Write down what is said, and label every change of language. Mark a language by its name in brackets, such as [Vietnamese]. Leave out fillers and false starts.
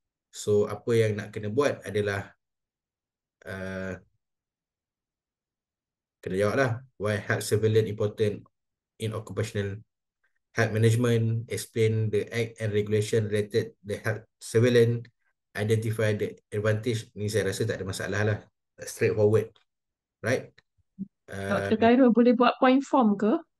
[Malay] So apa yang nak kena buat adalah kena jawab lah. [English] Why health surveillance important in occupational health management? Explain the act and regulation related the health surveillance. Identify the advantage. [Malay] Ni saya rasa tak ada masalah lah. [English] Straightforward. Right? Dr. [Malay] Gairul, boleh buat point form ke?